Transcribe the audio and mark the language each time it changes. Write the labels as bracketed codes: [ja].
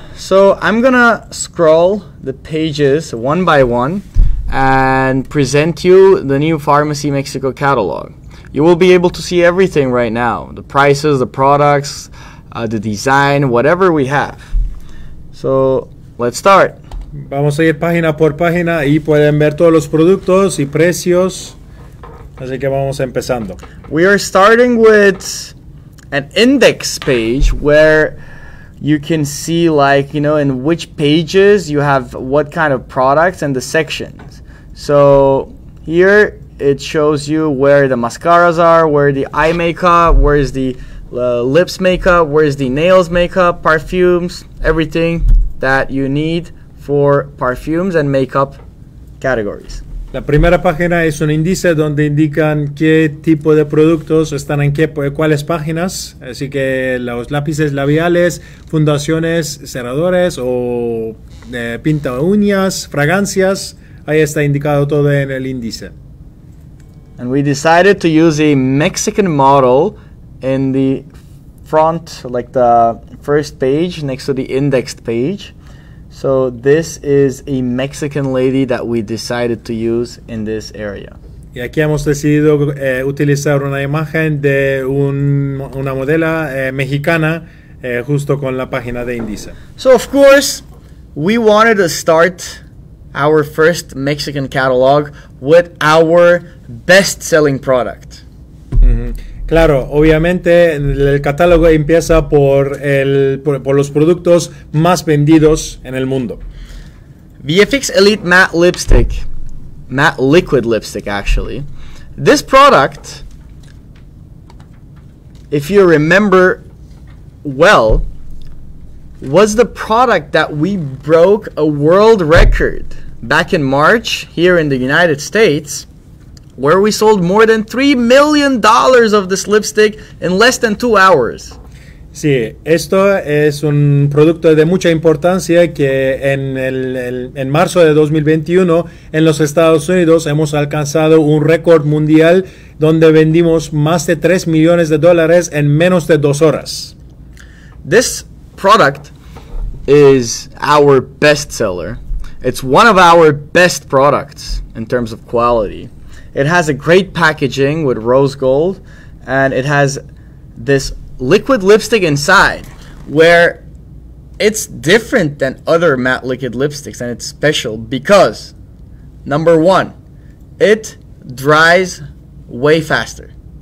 [en] So I'm going to scroll the pages one by one and present you the new Farmasi Mexico catalog. You will be able to see everything right now. The prices, the products, the design, whatever we have. So let's start. [es] Vamos a ir página por página y pueden ver todos los productos y precios. Así que vamos empezando. [en] We are starting with an index page where you can see, like, you know, in which pages you have what kind of products and the sections. So here it shows you where the mascaras are, where the eye makeup, where is the lips makeup, where is the nails makeup, perfumes, everything that you need for perfumes and makeup categories. [es] La primera página es un índice donde indican qué tipo de productos están en qué, cuáles páginas. Así que los lápices labiales, fundaciones, cerradores o pinta uñas, fragancias. Ahí está indicado todo en el índice. [en] And we decided to use a Mexican model in the front, like the first page next to the indexed page. So this is a Mexican lady that we decided to use in this area. [es] Y aquí hemos decidido utilizar una imagen de una modelo mexicana justo con la página de índice. [en] So of course, we wanted to start our first Mexican catalog with our best-selling product. [es] Claro, obviamente el catálogo empieza por los productos más vendidos en el mundo. [en] VFX Elite Matte Lipstick, Matte Liquid Lipstick actually. This product, if you remember well, was the product that we broke a world record back in March here in the United States, where we sold more than $3 million of this lipstick in less than 2 hours. [es] Sí, esto es un producto de mucha importancia que en marzo de 2021 en los Estados Unidos hemos alcanzado un récord mundial donde vendimos más de $3 million en menos de 2 horas. [en] This product is our best seller. It's one of our best products in terms of quality. It has a great packaging with rose gold, and it has this liquid lipstick inside where it's different than other matte liquid lipsticks, and it's special because, number one, it dries way faster.